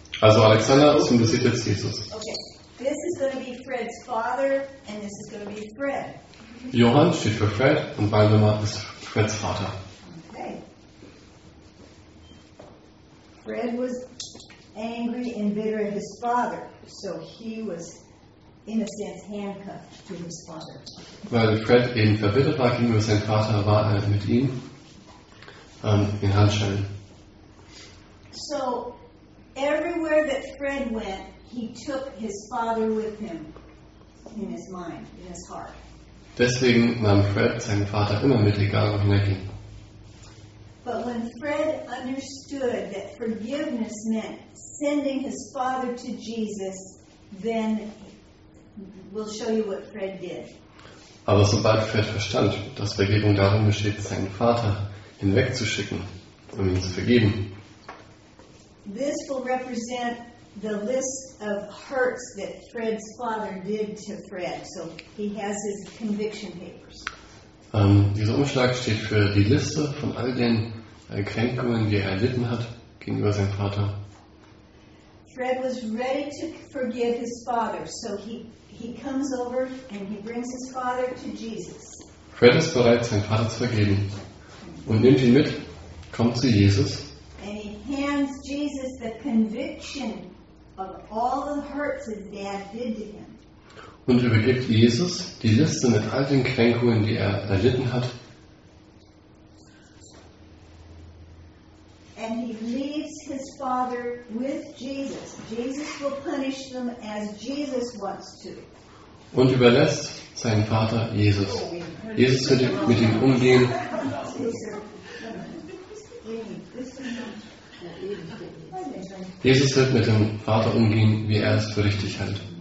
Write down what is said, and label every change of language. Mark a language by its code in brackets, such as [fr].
[de] Also Alexander symbolisiert jetzt Jesus. [en] Okay. This is going to be Fred's father. Fred. [de] Johann steht für Fred und Waldemar ist Freds Vater. [en] Okay. Fred was angry and bitter at his father, so he was in a sense handcuffed to his father. [de] Weil Fred eben verbittert war gegenüber seinem Vater, war er mit ihm in Handschellen. [en] So everywhere that Fred went, he took his father with him in his mind, in his heart. [de] Deswegen nahm Fred seinen Vater immer mit, egal wohin er ging. [en] But when Fred understood that forgiveness meant sending his father to Jesus, then we'll show you what Fred did. [de] Aber sobald Fred verstand, dass Vergebung darin besteht, seinen Vater hinwegzuschicken, um ihn zu vergeben. [en] This will represent the list of hurts that Fred's father did to Fred. So he has his conviction papers. [de] Dieser Umschlag steht für die Liste von all den Kränkungen, die er erlitten hat gegenüber seinem Vater. [en] Fred was ready to forgive his father, so he comes over and he brings his father to Jesus. [de] Fred ist bereit, seinen Vater zu vergeben und nimmt ihn mit, kommt zu Jesus. [en] And he hands Jesus the conviction of all the hurts his dad did to him. [de] Und übergibt Jesus die Liste mit all den Kränkungen, die er erlitten hat. [en] And he leaves his father with Jesus. Jesus will punish them as Jesus wants to. [de] Und überlässt seinen Vater Jesus. Jesus wird mit ihm umgehen. Jesus wird mit dem Vater umgehen, wie er es für richtig hält.